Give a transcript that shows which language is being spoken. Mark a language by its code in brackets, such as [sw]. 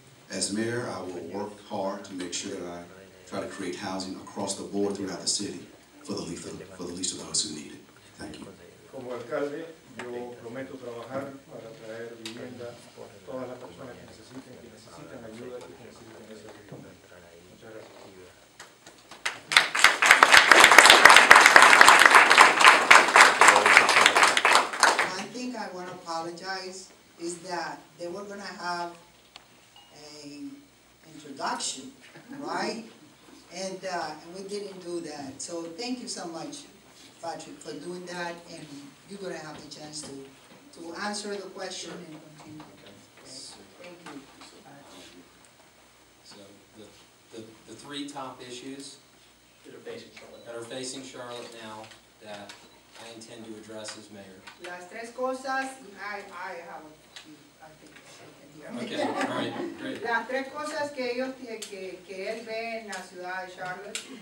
[en] as mayor, I will work hard to make sure that I try to create housing across the board throughout the city for the least of those who need it. Thank you. [es] Como alcalde, yo prometo trabajar para traer vivienda por todas las personas que necesiten ayuda y que necesiten esa vivienda. Muchas gracias. [en] I want to apologize is that they were going to have an introduction, right? And we didn't do that. So thank you so much, Patrick, for doing that. And you're going to have the chance to answer the question and continue. Okay. Thank you. So the three top issues that are facing Charlotte now that I intend to address as mayor. [es] Las tres cosas, [en] I have a few, I think. Okay, all right, great. [es] Las tres cosas que ellos que él ve en la ciudad de Charlotte.